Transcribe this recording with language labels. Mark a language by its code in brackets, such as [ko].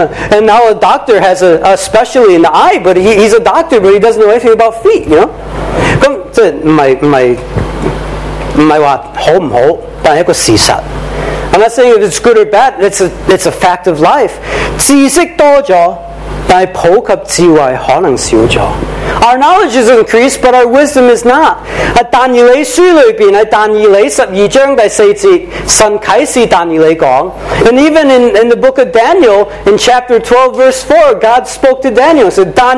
[en] And now a doctor has a specialty in the eye, but he's a doctor, but he doesn't know anything about feet, you know? [zh] 不是說好不好,但是一個事實。 [en] I'm not saying if it's good or bad, it's a fact of life. [zh] 知識多了,但普及智慧可能少了。 [en] Our knowledge is increased, but our wisdom is not. [zh] 但以理書裡面,但以理12章第4節,神啟示但以理講, [en] and even in the book of Daniel, in chapter 12, verse 4, God spoke to Daniel, said,